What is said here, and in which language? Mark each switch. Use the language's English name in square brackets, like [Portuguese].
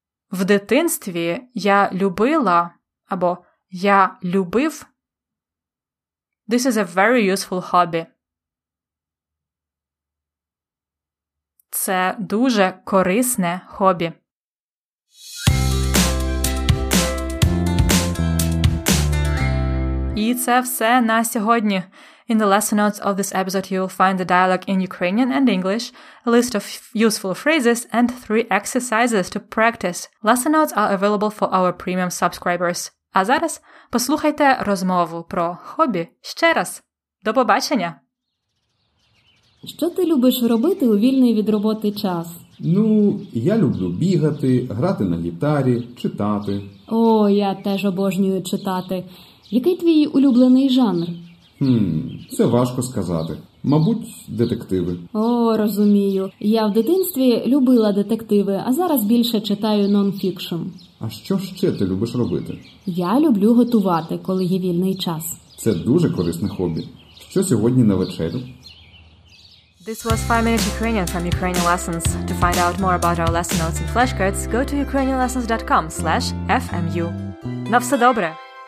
[Ukrainian] В дитинстві я любила або я любив. [English] This is a very useful hobby. [Ukrainian] Це дуже корисне хобі. І це все на сьогодні. [English] In the lesson notes of this episode, you will find the dialogue in Ukrainian and English, a list of useful phrases, and 3 exercises to practice. Lesson notes are available for our premium subscribers. [Ukrainian] А зараз послухайте розмову про хобі ще раз. До побачення! Що ти любиш робити у вільний від роботи час? Ну, я люблю бігати, грати на гітарі, читати. О, я теж обожнюю читати. Який твій улюблений жанр? Це важко сказати. Мабуть, детективи. О, розумію. Я в дитинстві любила детективи, а зараз більше читаю нон-фікшн. А що ще ти любиш робити? Я люблю готувати, коли є вільний час. Це дуже корисне хобі. Що сьогодні на вечерю? [English] This was 5 Minutes Ukrainian from Ukrainian Lessons. To find out more about our lesson notes and flashcards, go to ukrainianlessons.com/fmu. [Ukrainian] На все добре!